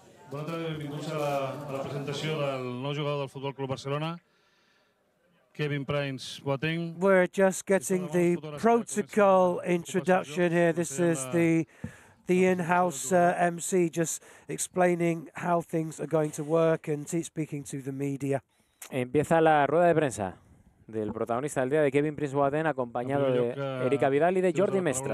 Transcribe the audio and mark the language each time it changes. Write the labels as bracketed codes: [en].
[ca] Bona tarda, benvinguts a la presentació del nou jugador del FC Barcelona, Kevin Prince Boateng. [en] We're just getting the protocol introduction here. This is the in-house MC just explaining how things are going to work and speaking to the media. [es] Empieza la rueda de prensa del protagonista del día, de Kevin Prince Boateng, acompañado de Eric Abidal y de Jordi Mestre.